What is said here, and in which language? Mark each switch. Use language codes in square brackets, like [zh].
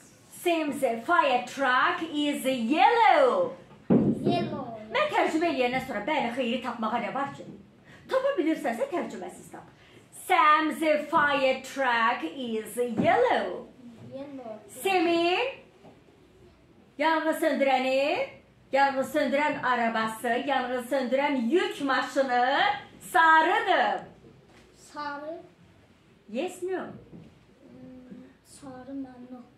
[en] Sam's fire truck is yellow. Yellow. [az] Mən tərcümə eləyəndən sonra bəli xeyri tapmağa nə var ki? Tapa bilirsənsə tərcüməsiz tap. [en] Sam's fire truck is yellow. [az] Sam'in yanğı söndürəni, yanğı söndürən arabası, yanğı söndürən yük maşını sarıdır. Sarı? [en] Yes, no. [az] Sarı, no.